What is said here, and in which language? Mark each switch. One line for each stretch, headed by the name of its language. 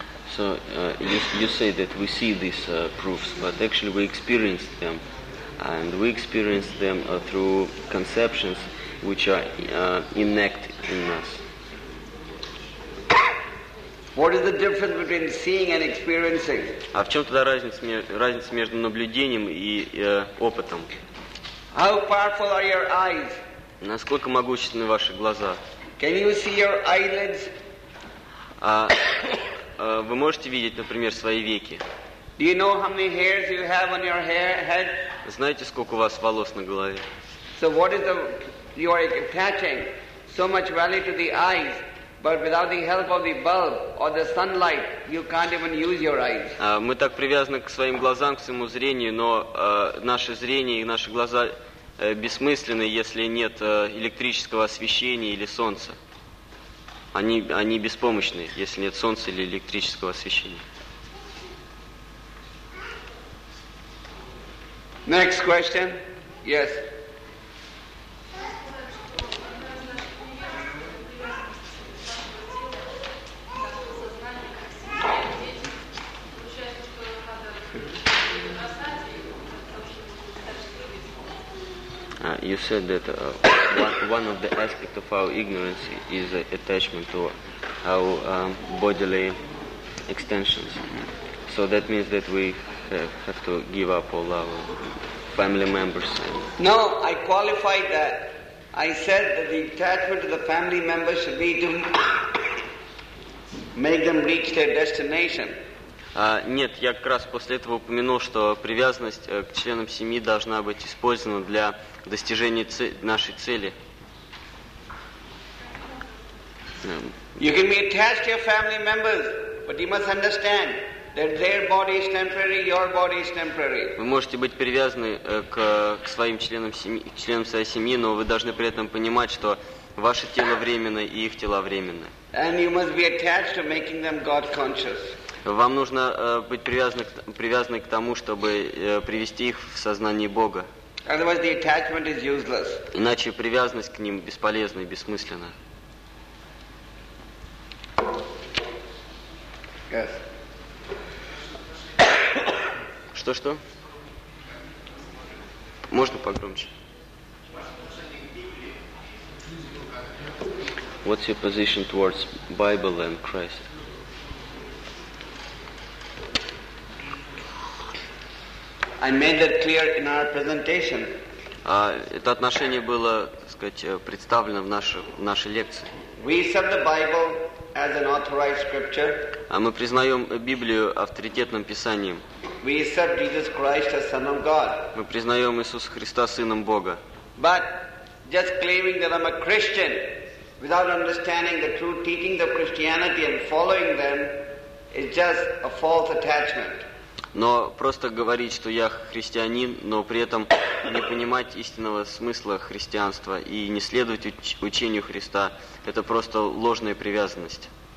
English: So you say that we see these proofs, but actually we experience them, and we experience them through conceptions which are innate in us. What is the difference between seeing and experiencing?
Russian: А в чем тогда разница между наблюдением и опытом?
English: How powerful are your eyes?
Russian: Насколько могущественны ваши глаза?
English: Can you see your eyelids?
Russian: Вы можете видеть, например, свои веки?
English: Do you know how many hairs you have on your hair, head?
Russian: Знаете, сколько у вас волос на голове?
English: So what is the you are attaching so much value to the eyes, but without the help of the bulb or the sunlight, you can't even use your eyes.
Russian: Мы так привязаны к своим глазам, к своему зрению, но наше зрение и наши глаза бессмысленны, если нет электрического освещения или солнца. Они беспомощны, если нет солнца или электрического освещения.
English: Next question. Yes. You said that one of the aspects of our ignorance is attachment to our bodily extensions. So that means that we have to give up all our family members. No, I qualified that. I said that the attachment to the family members should be to make them reach their destination.
Russian: Нет, я как раз после этого упомянул, что привязанность к членам семьи должна быть использована для достижения нашей цели.
English: You can be attached to your family members, but you must understand that their body is temporary, your body is temporary.
Russian: Вы можете быть привязаны к своим членам семьи, к членам своей семьи, но вы должны при этом понимать, что ваше тело временно и их тела временны.
English: And you must be attached to making them God conscious.
Russian: Вам нужно быть привязаны к тому, чтобы привести их в сознание Бога.
English: Otherwise the attachment is useless.
Russian: Иначе привязанность к ним бесполезна и бессмысленна.
English: Yes.
Russian: Что-что? Можно погромче?
English: What's your position towards Bible and Christ? I made that clear in our presentation.
Russian: Это отношение было сказать, представлена в нашей лекции.
English: We accept the Bible as an authorized scripture.
Russian: А мы признаем Библию авторитетным писанием.
English: We accept Jesus Christ as Son of God.
Russian: Мы признаем Иисуса Христа Сыном Бога.
English: But just claiming that I'm a Christian without understanding the true teachings of Christianity and following them is just a false attachment.
Russian: Но просто говорить, что я христианин, но при этом не понимать истинного смысла христианства и не следовать учению Христа, это просто ложная привязанность.